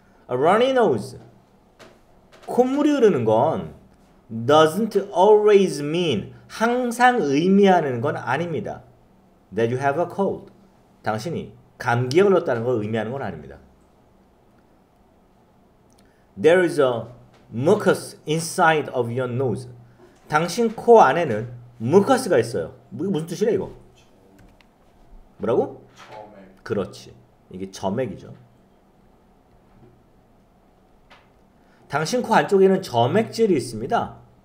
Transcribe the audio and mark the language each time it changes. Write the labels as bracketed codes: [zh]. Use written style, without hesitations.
[en] A runny nose. [ko] 콧물이 흐르는 건 [en] doesn't always mean [ko] 항상 의미하는 건 아닙니다. [en] That you have a cold. [ko] 당신이 감기에 걸렸다는 걸 의미하는 건 아닙니다. [en] There is a mucus inside of your nose. [ko] 당신 코 안에는 무커스가 있어요. 이게 무슨 뜻이래, 이거? 뭐라고? 그렇지. 이게 점액이죠. 당신 코 안쪽에는 점액질이 있습니다.